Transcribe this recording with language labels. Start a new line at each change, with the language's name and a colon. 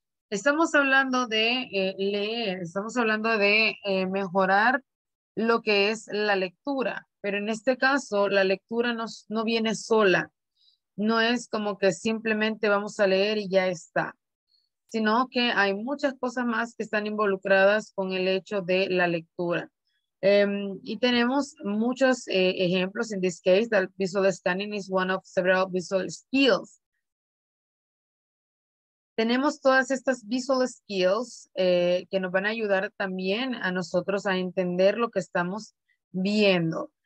Spanish: Estamos hablando de leer, estamos hablando de mejorar lo que es la lectura, pero en este caso la lectura no viene sola, no es como que simplemente vamos a leer y ya está, sino que hay muchas cosas más que están involucradas con el hecho de la lectura. Y tenemos muchos ejemplos.
English: In this case, that visual scanning is one of several visual skills.
Spanish: Tenemos todas estas visual skills que nos van a ayudar también a nosotros a entender lo que estamos viendo.